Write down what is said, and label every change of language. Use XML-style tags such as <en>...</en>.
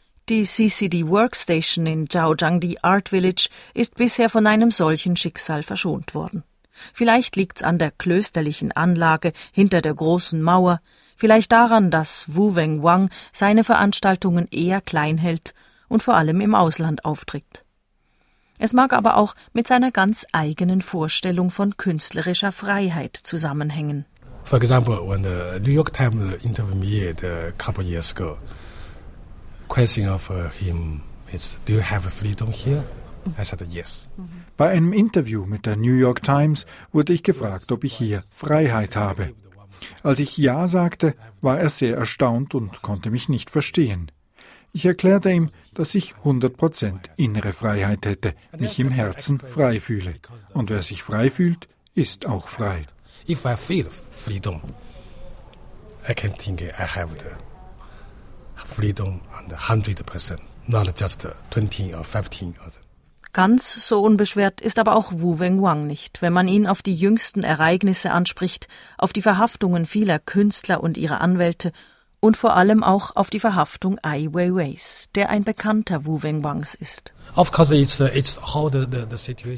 <de>Die CCD Workstation in Zhaozhang, die Art Village, ist bisher von einem solchen Schicksal verschont worden. Vielleicht liegt's an der klösterlichen Anlage hinter der großen Mauer, Vielleicht daran, dass Wu Wenguang seine Veranstaltungen eher klein hält und vor allem im Ausland auftritt. Es mag aber auch mit seiner ganz eigenen Vorstellung von künstlerischer Freiheit zusammenhängen.</de> <en>For example, when the New York Times interviewed me a couple years ago, question of him is, do you have freedom here? I said yes.</en> <de>Bei einem Interview mit der New York Times wurde ich gefragt, ob ich hier Freiheit habe. Als ich Ja sagte, war er sehr erstaunt und konnte mich nicht verstehen. Ich erklärte ihm, dass ich 100% innere Freiheit hätte, mich im Herzen frei fühle. Und wer sich frei fühlt, ist auch frei.</de> <en>If I feel freedom, I can think I have the freedom 100%, not just 20 or 15 other.</en> <de>Ganz so unbeschwert ist aber auch Wu Wenguang nicht, wenn man ihn auf die jüngsten Ereignisse anspricht, auf die Verhaftungen vieler Künstler und ihrer Anwälte und vor allem auch auf die Verhaftung Ai Weiweis, der ein Bekannter Wu Wenguangs ist.</de> <en>Of course it's how the situation.</en>